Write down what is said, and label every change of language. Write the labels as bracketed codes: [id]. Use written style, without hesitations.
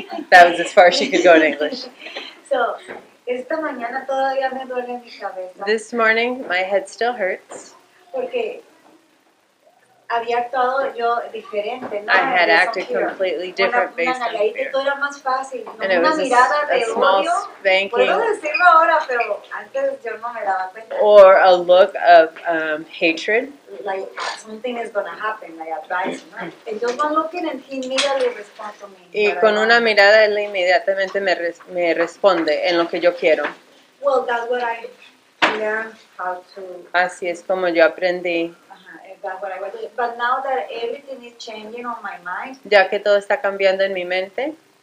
[en] That was as far as she could go in English. [es] So, esta mañana todavía me duele mi cabeza. [en] This morning, my head still hurts. [es] Porque había actuado yo diferente, ¿no? [en] I had acted completely different based on fear. [es] Todo era más fácil, ¿no? [en] And it was a small spanking. [es] Puedo decirlo ahora, pero antes yo no me daba cuenta. [en] Or a look of hatred. Like something is going to happen, like advice, [es] ¿no? [en] And just one look and he immediately responds to me. [es] Y con una mirada él inmediatamente me responde en lo que yo quiero. [en] Well, that's what I learned how to. [es] Así es como yo aprendí. [en] But now that everything is changing on my mind, [es] ya que todo está cambiando en mi mente,